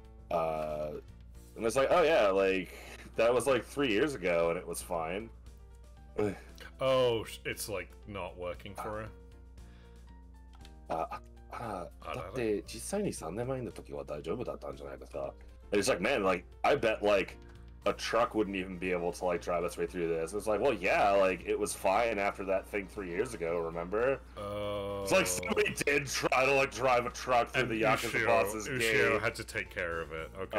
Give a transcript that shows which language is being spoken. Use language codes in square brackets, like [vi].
[en] And it's like, oh yeah, like, that was like 3 years ago and it was fine. Oh, it's like not working for her. [ja] だって実際に3年前の時は大丈夫だったんじゃないですか? [en] And it's like, man, like, I bet, like,A truck wouldn't even be able to like drive its way through this. It's like, well, yeah, like it was fine after that thing 3 years ago, remember? Oh. It's like somebody did try to like drive a truck through the Yakuza boss's game. Ushio had to take care of it. Okay.